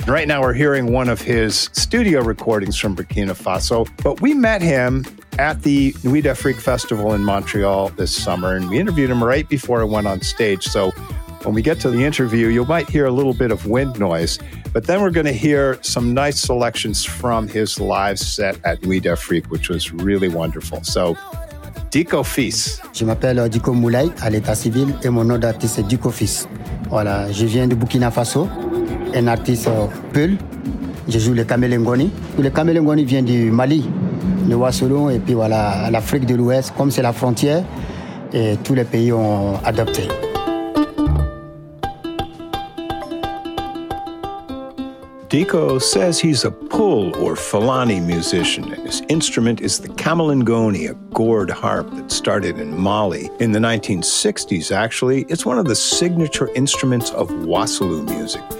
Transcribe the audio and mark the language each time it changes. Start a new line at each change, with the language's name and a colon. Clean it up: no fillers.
English: Right now we're hearing one of his studio recordings from Burkina Faso, but we met him at the Nuit d'Afrique Festival in Montreal this summer, and we interviewed him right before I went on stage. So when we get to the interview, you might hear a little bit of wind noise, but then we're going to hear some nice selections from his live set at Nuit d'Afrique, which was really wonderful. So Dicko Fils.
French: Je m'appelle Dicko Moulay à l'état civil et mon nom d'artiste est Dicko Fils. Voilà, je viens de Burkina Faso, un artiste peul. Je joue le Kamelengoni. Le Kamelengoni vient du Mali, le Ouassoulon et puis voilà, l'Afrique de l'Ouest, comme c'est la frontière, et tous les pays ont adopté.
English: Dicko says he's a pul or Fulani musician, and his instrument is the Kamelengoni, a gourd harp that started in Mali in the 1960s, actually. It's one of the signature instruments of Wassoulou music.